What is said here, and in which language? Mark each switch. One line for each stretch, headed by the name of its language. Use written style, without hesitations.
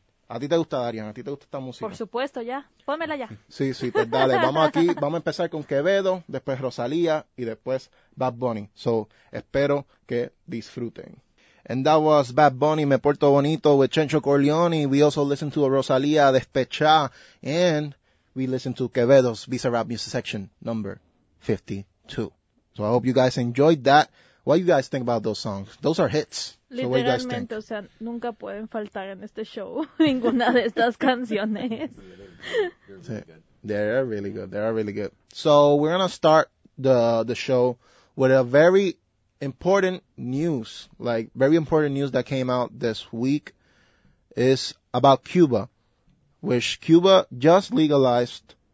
Spanish: ¿A ti te gusta, Darian? ¿A ti te gusta esta música? Por supuesto, ya. Pónmela ya. Sí, sí, pues dale. Vamos aquí. Vamos a empezar con Quevedo, después Rosalía y después Bad Bunny. So, espero que disfruten.
English: And that was Bad Bunny, Me Porto Bonito with Chencho Corleone. We also listened to a Rosalía Despechá. And we listened to Quevedo's Visa Rap Music Section number 52. So, I hope you guys enjoyed that. What do you guys think about those songs? Those are hits.
Spanish: Literalmente,
English: so
Spanish: o sea, nunca pueden faltar en este show ninguna de estas canciones.
English: They are really good. So we're going to start the show with a very important news, like very important news that came out this week is about Cuba, which Cuba just legalized.